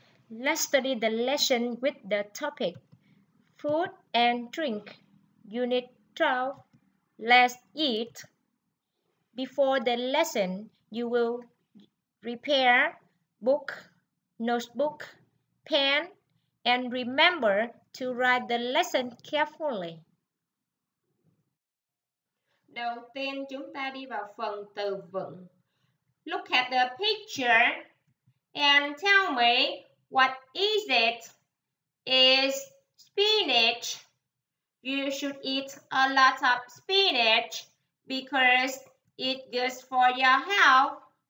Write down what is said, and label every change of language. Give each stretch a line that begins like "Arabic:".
English: Let's study the lesson with the topic Food and Drink, Unit 12. Let's eat. Before the lesson, you will repair book, notebook, pen, and remember to write the lesson carefully.
Vietnamese: Đầu tiên chúng ta đi vào phần từ vựng.
English: Look at the picture and tell me what is it? Is spinach. You should eat a lot of spinach because it good for your health.